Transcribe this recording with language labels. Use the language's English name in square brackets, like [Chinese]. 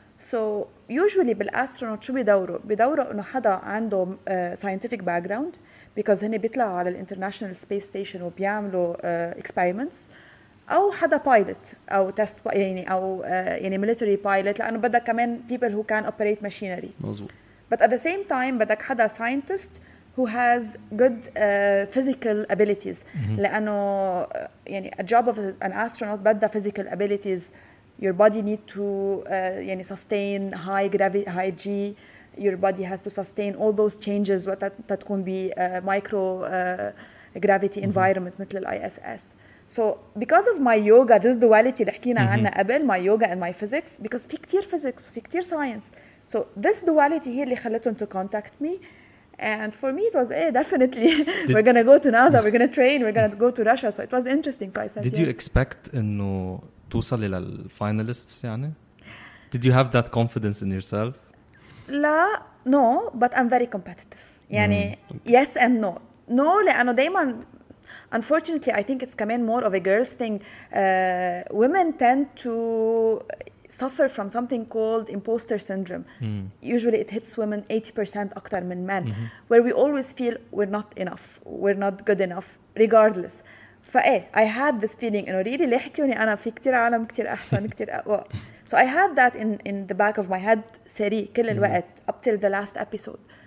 [English] So usually [Arabic] بالأسترونوت شو بيدوروا؟ بيدوروا إنه حدا عنده [English] scientific background because [Arabic] هني بيطلعوا على الانترناشنال سبيس ستيشن وبيعملوا experiments أو حدا pilot أو test يعني أو يعني [English] military pilot [Arabic] لأنه بدك كمان [English] people who can operate machinery. [Arabic] مظبوط. [English] But at the same time [Arabic] بدك حدا [English] scientist who has good physical abilities. [Arabic] لأنه يعني [English] a job of an astronaut [Arabic] بدها [English] physical abilities. Your body need to يعني sustain high gravity, high G. Your body has to sustain all those changes that can be micro gravity environment مثل ISS. So because of my yoga, this duality [Arabic] اللي حكينا عنها قبل, [English] my yoga and my physics, because [Arabic] في كتير [English] physics, في كتير science. So this duality here [Arabic] اللي خلتهم [English] to contact me. And for me, it was, definitely, we're going to go to NASA, we're going to train, we're going to go to Russia. So it was interesting. So I said, did you expect to [Arabic] توصل إلى الفاينالستس يعني? [English] Did you have that confidence in yourself? لا, no, but I'm very competitive. يعني, yes and no. No, [Arabic] لأنه دايماً, [English] unfortunately, I think it's كمان more of a girl's thing. Women tend to suffer from something called imposter syndrome. Usually it hits women 80% [Arabic] أكتر من [English] men, where we always feel we're not enough, we're not good enough, regardless. [Arabic] فأي, [English] I had this feeling, [Arabic] إنه really لحكيوني أنا في كتير عالم كتير أحسن كتير أقوى. [English] So I had that in the back of my head [Arabic] سري كل الوقت [English] up till the last episode.